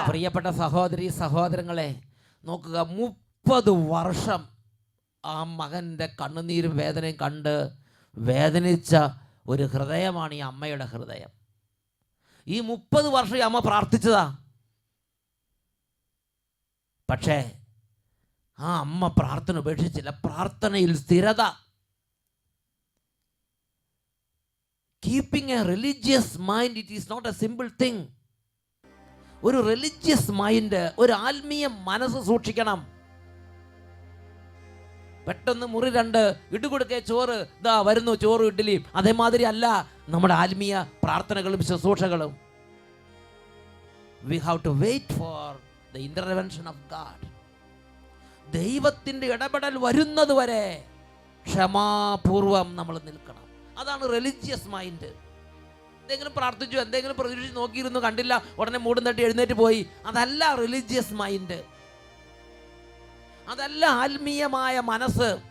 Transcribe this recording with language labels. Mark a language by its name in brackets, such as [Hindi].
[Malayalam] പ്രിയപ്പെട്ട സഹോദരി സഹോദരങ്ങളെ നോക്കുക, 30 വർഷം ആ മകന്റെ കണ്ണുനീരും വേദനയും കണ്ട് വേദനിച്ച ഒരു ഹൃദയമാണ് ഈ അമ്മയുടെ ഹൃദയം. ഈ 30 വർഷം ഈ അമ്മ പ്രാർത്ഥിച്ചതാ. പക്ഷേ ആ അമ്മ പ്രാർത്ഥന ഉപേക്ഷിച്ചില്ല. പ്രാർത്ഥനയിൽ സ്ഥിരത. [English] Keeping a religious mind, it is not a simple thing. [Malayalam] ഒരു [English] religious mind, [Malayalam] ഒരു ആത്മീയ മനസ്സ് സൂക്ഷിക്കണം. പെട്ടെന്ന് മുറി രണ്ട് ഇട്ടുകൊടുക്കെ ചോറ് ഇതാ വരുന്നു, ചോറും ഇഡ്ഡലിയും. അതേമാതിരി അല്ല നമ്മുടെ ആത്മീയ പ്രാർത്ഥനകളും ശുശ്രൂഷകളും. [English] We have to wait for the intervention of God. [Malayalam] ദൈവത്തിൻ്റെ ഇടപെടൽ വരുന്നതുവരെ ക്ഷമാപൂർവം നമ്മൾ നിൽക്കണം. അതാണ് [English] Religious mind. [Malayalam] എന്തെങ്കിലും പ്രാർത്ഥിച്ചു, എന്തെങ്കിലും പ്രതീക്ഷിച്ച് നോക്കിയിരുന്നു, കണ്ടില്ല, ഉടനെ മൂടും തട്ടി എഴുന്നേറ്റ് പോയി, അതല്ല റിലിജിയസ് മൈൻഡ്, അതല്ല ആത്മീയമായ മനസ്സ്.